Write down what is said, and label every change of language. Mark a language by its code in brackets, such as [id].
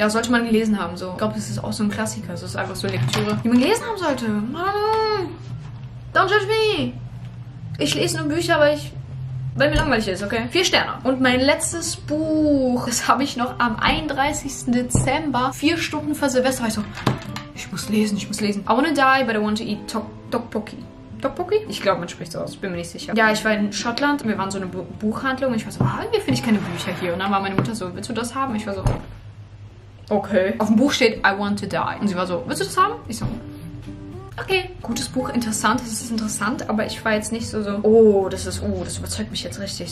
[de] Ja, sollte man gelesen haben, so. Ich glaube, das ist auch so ein Klassiker. Es ist einfach so Lektüre, die man gelesen haben sollte. Mann! [en] Don't judge me! [de] Ich lese nur Bücher, aber ich... Weil mir langweilig ist, okay? 4 Sterne. Und mein letztes Buch, das habe ich noch am 31. Dezember 4 Stunden vor Silvester. War ich so, ich muss lesen. [en] I wanna die, but I want to eat Tteokbokki. [de] Tteokbokki? Ich glaube, man spricht so aus. Bin mir nicht sicher. Ja, ich war in Schottland. Wir waren so eine Buchhandlung. Und ich war so, irgendwie finde ich keine Bücher hier. Und dann war meine Mutter so, willst du das haben? Ich war so, okay. Auf dem Buch steht, [en] I want to die. [de] Und sie war so, willst du das haben? Ich so, okay. Gutes Buch, interessant. Es ist interessant, aber ich war jetzt nicht so, das überzeugt mich jetzt richtig.